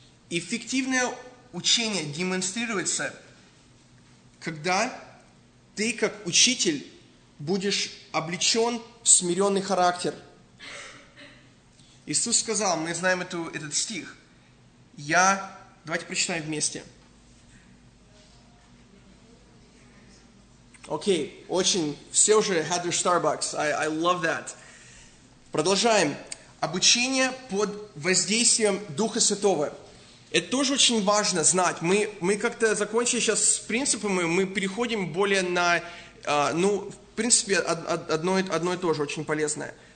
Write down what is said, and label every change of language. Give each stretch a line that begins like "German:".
Russian: Эффективное учение демонстрируется, когда ты как учитель будешь облечен в смиренный характер. Иисус сказал, мы знаем этот стих. Давайте прочитаем вместе. Окей, очень, все уже
English: had their Starbucks, I love that.
Russian: Продолжаем. Обучение под воздействием Духа Святого. Это тоже очень важно знать. Мы как-то закончили сейчас с принципами, мы переходим более на, в принципе, одно и то же очень полезное.